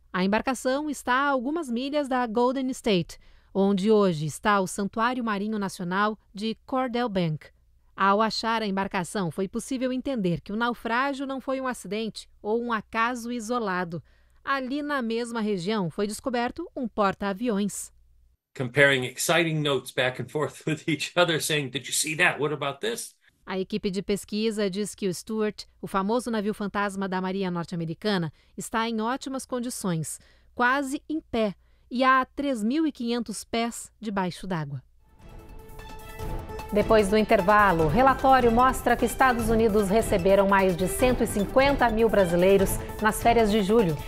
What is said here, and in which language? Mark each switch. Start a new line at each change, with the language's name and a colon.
Portuguese: A embarcação está a algumas milhas da Golden State, onde hoje está o Santuário Marinho Nacional de Cordell Bank. Ao achar a embarcação, foi possível entender que o naufrágio não foi um acidente ou um acaso isolado. Ali na mesma região foi descoberto um porta-aviões.
English: Comparing exciting notes back and forth with each other, saying, "Did you see that? What about this?"
Portuguese: A equipe de pesquisa diz que o Stuart, o famoso navio fantasma da Marinha Norte-Americana, está em ótimas condições, quase em pé, e há 3.500 pés debaixo d'água. Depois do intervalo, o relatório mostra que Estados Unidos receberam mais de 150 mil brasileiros nas férias de julho.